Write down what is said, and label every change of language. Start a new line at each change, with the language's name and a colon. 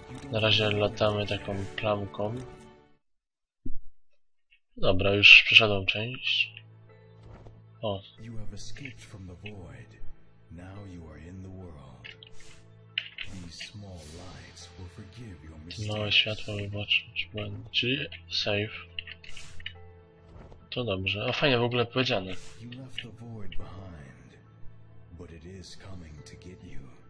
Polish: Na razie latamy taką plamką. Dobra, już przeszedłem część. O.
English: You have escaped from the void. Now you are in the world. These small lights will forgive your mistakes.
Polish: Małe światło wybaczyć błędy. Czyli save. To dobrze. O, fajnie, w ogóle powiedziane.
English: You left the void behind, but it is coming to get you.